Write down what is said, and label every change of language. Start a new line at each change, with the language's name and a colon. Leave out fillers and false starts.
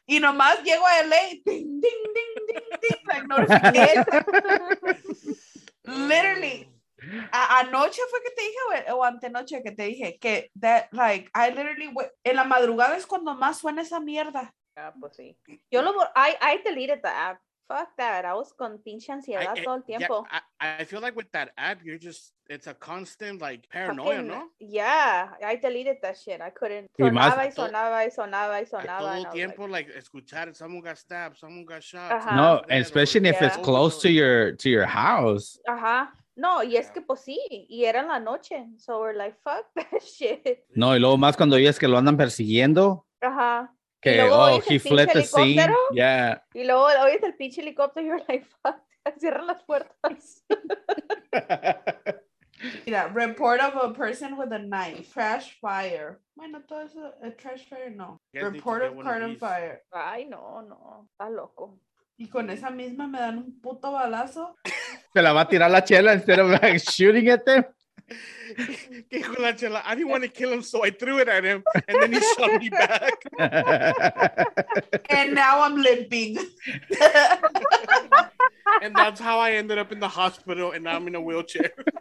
Spanish: Y nomás llego a LA, ding, ding, ding, ding, ding, like, no sé qué. Literally. Anoche fue que te dije, o antenoche que te dije, que
English: that, like, I literally,
Spanish: en la madrugada es cuando más suena esa mierda. Ah, pues sí.
English: I deleted the app. Fuck that. I was
Spanish: con pinche ansiedad todo el tiempo.
English: Yeah, I feel like with that app, you're just, it's a constant, like, paranoia, fucking, ¿no? Yeah, I deleted that shit. I couldn't.
Spanish: Sonaba y sonaba. Todo el tiempo,
English: like, escuchar, someone got stabbed, someone got shot. No, especially if it's close to your house.
Spanish: Ajá. No, y es que pues sí, y era en la noche.
English: So we're like, fuck that shit.
Spanish: No, y luego más cuando oyes que lo andan persiguiendo. Ajá.
English: Que, he fled the scene. Yeah.
Spanish: Y luego oyes el pinche helicóptero,
English: you're like, fuck,
Spanish: cierran las puertas.
English: Yeah, report of a person with a knife, trash fire.
Spanish: Bueno, todo eso,
English: a trash fire, no. Report of car on fire.
Spanish: Ay, no, está loco. Y con esa misma me dan un puto balazo. Se la va a tirar la chela
English: instead of like shooting at them. I didn't want to kill him, so I threw it at him, and then he shot me back. And now I'm limping. And that's how I ended up in the hospital, and now I'm in a wheelchair.